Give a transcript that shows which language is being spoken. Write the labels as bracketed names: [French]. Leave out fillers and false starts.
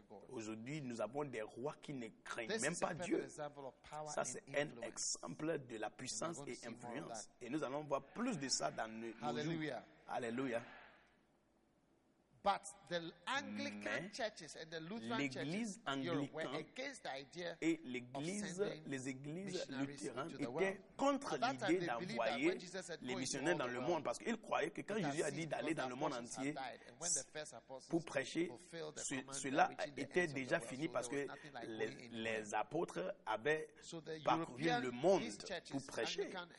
[French] Aujourd'hui, nous avons des rois qui ne craignent même pas Dieu. Ça, c'est un exemple de la puissance et influence. Et nous allons voir plus de ça dans nos Alléluia. Jours. Alléluia. [English] But the Anglican churches and the Lutheran [French] l'église anglicane et les églises luthérans étaient contre l'idée d'envoyer les missionnaires dans le monde parce qu'ils croyaient que quand Jésus a dit d'aller dans le monde entier pour prêcher, cela était déjà fini parce que les apôtres avaient parcouru le monde pour prêcher.